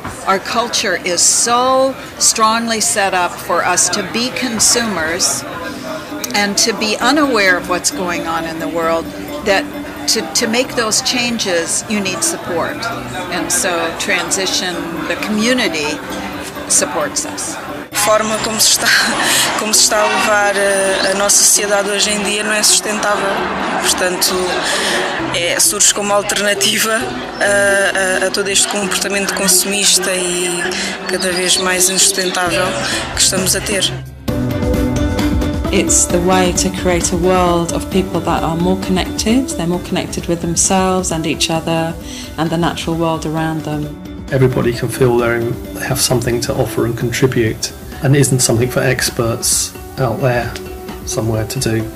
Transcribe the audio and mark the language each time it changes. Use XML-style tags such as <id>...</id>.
<en>Our culture is so strongly set up for us to be consumers and to be unaware of what's going on in the world, that to make those changes, you need support. And so transition, the community, supports us.</en> <pt>A forma como se está a levar a nossa sociedade hoje em dia não é sustentável. Portanto, surge como alternativa a todo este comportamento consumista e cada vez mais insustentável que estamos a ter.</pt> <en>It's the way to create a world of people that are more connected. They're more connected with themselves and each other and the natural world around them. Everybody can feel they have something to offer and contribute, and it isn't something for experts out there somewhere to do.</en>